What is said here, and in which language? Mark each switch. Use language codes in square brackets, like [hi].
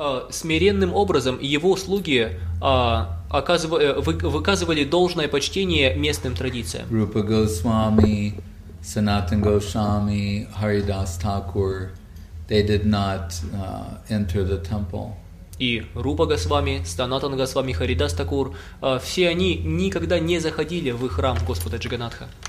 [ru] Смиренным образом его слуги выказывали должное почтение местным традициям. [en] Рупа Госвами, Санатан Госвами, Харидас Такур, they did not enter the temple. [ru] И Рупа Госвами, Санатан Госвами, Харидас Такур, все они никогда не заходили в храм Господа Джаганнатха.